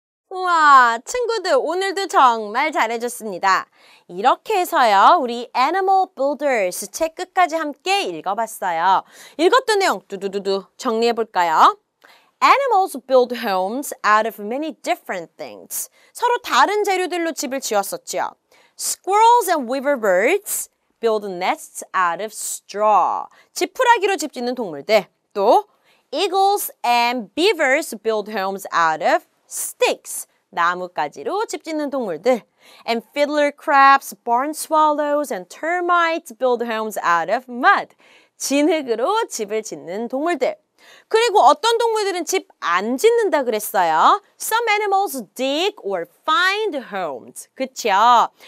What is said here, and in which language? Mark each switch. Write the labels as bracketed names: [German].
[Korean] 우와, 친구들 오늘도 정말 잘해줬습니다. 이렇게 해서요, 우리 Animal Builders 책 끝까지 함께 읽어봤어요. 읽었던 내용 두두두두 정리해볼까요? [English] Animals build homes out of many different things. [Korean] 서로 다른 재료들로 집을 지었었죠. [English] Squirrels and weaver birds build nests out of straw. [Korean] 지푸라기로 집 짓는 동물들. [English] 또 Eagles and beavers build homes out of sticks. [Korean] 나뭇가지로 집 짓는 동물들. [English] And fiddler crabs, barn swallows, and termites build homes out of mud. [Korean] 진흙으로 집을 짓는 동물들. 그리고 어떤 동물들은 집 안 짓는다 그랬어요. [English] Some animals dig or find homes. [Korean] 그쵸?